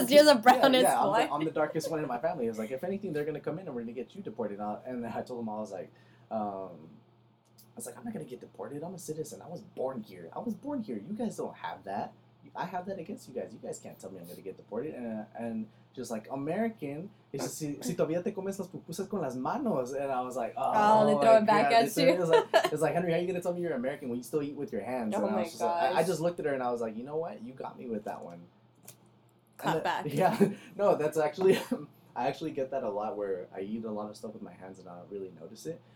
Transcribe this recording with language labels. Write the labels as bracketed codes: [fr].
[en] like, you're the brownest one. Yeah, I'm the darkest one in my family. It's like, if anything, they're going to come in and we're going to get you deported. And I told them, I was like, I'm not going to get deported. I'm a citizen. I was born here. You guys don't have that. I have that against you guys. You guys can't tell me I'm going to get deported. And just like, American, [es] dice, si todavía te comes las pupusas con las manos. [en] And I was like, oh, they throw it back at you. It's like, Henry, how are you going to tell me you're American when you still eat with your hands? Oh, and my gosh. Like, I just looked at her and I was like, you know what? You got me with that one. Cut back. Yeah. No, that's actually, I actually get that a lot where I eat a lot of stuff with my hands and I don't really notice it.